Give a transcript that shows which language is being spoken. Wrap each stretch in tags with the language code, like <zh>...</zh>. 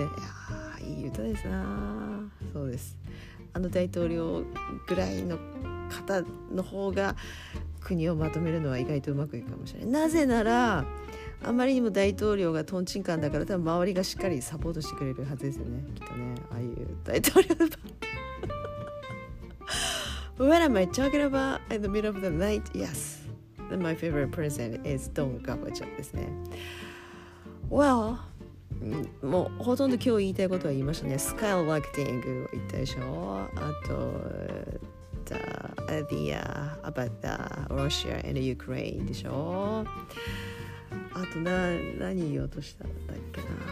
<ja>いやー、いい歌ですな。そうです、あの大統領ぐらいの方の方が国をまとめるのは意外とうまくいくかもしれない。なぜならあまりにも大統領がトンチンカンだから、多分周りがしっかりサポートしてくれるはずですよね、きっとね。ああいう大統領の</ja> <en>What am I talking about in the middle of the night? Yes, my favorite president is Don Gabacho</en> <ja>ですね。 Well, もうほとんど今日言いたいことは言いましたね。スカイラクティングを言ったでしょ。あと、</ja> <en>the about the Russia and the Ukraine</en> <ja>でしょ。あと何言おうとしたんだっけな。</ja>